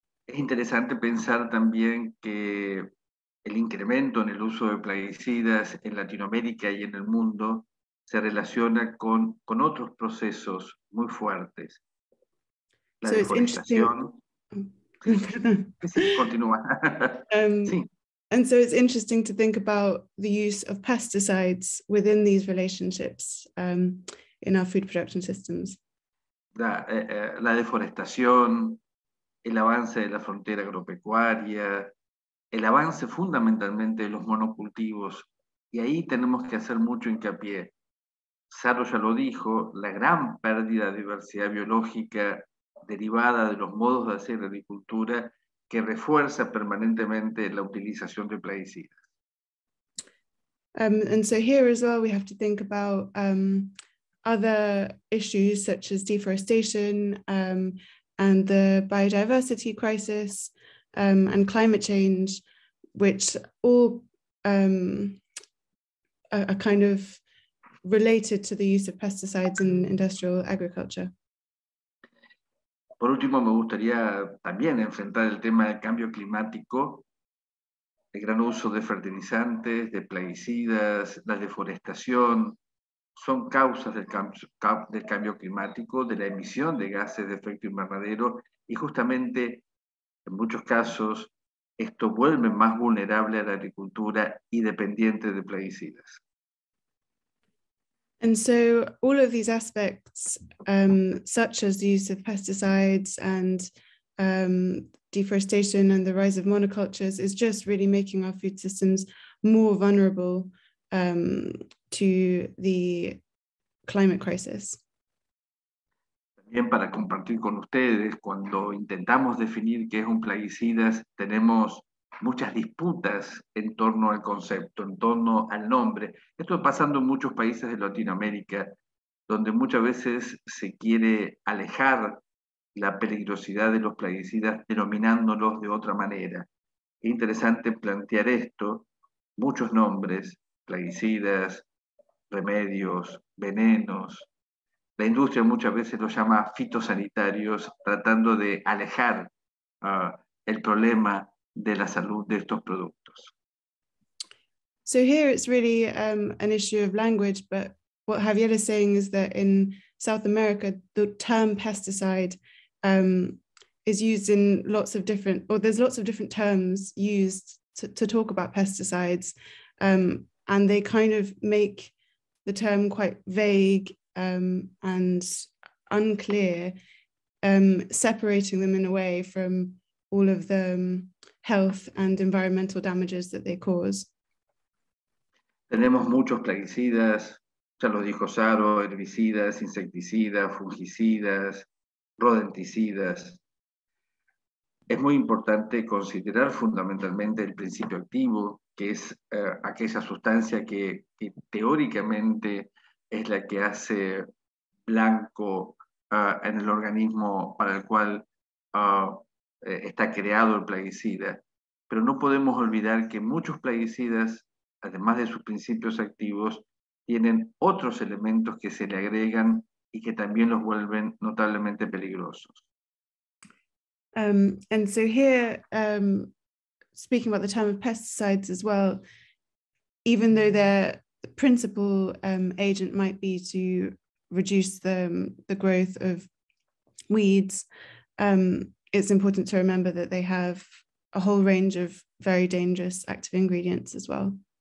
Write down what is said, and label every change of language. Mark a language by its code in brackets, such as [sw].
[es] Es interesante pensar también que el incremento en el uso de plaguicidas en Latinoamérica y en el mundo se relaciona con otros procesos muy fuertes. [en] So it's interesting. And so it's interesting to think about the use of pesticides within these relationships in our food production systems. [es] La deforestación, el avance de la frontera agropecuaria, el avance fundamentalmente de los monocultivos, y ahí tenemos que hacer mucho hincapié. Saro ya lo dijo, la gran pérdida de diversidad biológica derivada de los modos de hacer agricultura que refuerza permanentemente la utilización de plaguicidas. [en] And so here as well we have to think about other issues such as deforestation and the biodiversity crisis and climate change, which all are kind of related to the use of pesticides in industrial agriculture. [es] Por último, me gustaría también enfrentar el tema del cambio climático, el gran uso de fertilizantes, de plaguicidas, la deforestación. Son causas del cambio climático, de la emisión de gases de efecto invernadero, y justamente en muchos casos esto vuelve más vulnerable a la agricultura y dependiente de plaguicidas. [en] And so all of these aspects, such as the use of pesticides and deforestation and the rise of monocultures, is just really making our food systems more vulnerable to the climate crisis. [es] También para compartir con ustedes, cuando intentamos definir qué es un plaguicida, tenemos muchas disputas en torno al concepto, en torno al nombre. Esto está pasando en muchos países de Latinoamérica, donde muchas veces se quiere alejar la peligrosidad de los plaguicidas denominándolos de otra manera. Es interesante plantear esto, muchos nombres, plaguicidas, remedios, venenos. La industria muchas veces los llama fitosanitarios, tratando de alejar el problema de la salud de estos productos. [en] So here it's really an issue of language, but what Javier is saying is that in South America, the term pesticide is used in lots of different, or there's lots of different terms used to talk about pesticides. And they kind of make the term quite vague and unclear, separating them in a way from all of the health and environmental damages that they cause. [es] Tenemos muchos plaguicidas, ya lo dijo Saro, herbicidas, insecticidas, fungicidas, rodenticidas. Es muy importante considerar fundamentalmente el principio activo, que es aquella sustancia que teóricamente es la que hace blanco en el organismo para el cual está creado el plaguicida. Pero no podemos olvidar que muchos plaguicidas, además de sus principios activos, tienen otros elementos que se le agregan y que también los vuelven notablemente peligrosos. [en] And so here, speaking about the term of pesticides as well, even though their principal agent might be to reduce the growth of weeds, it's important to remember that they have a whole range of very dangerous active ingredients as well.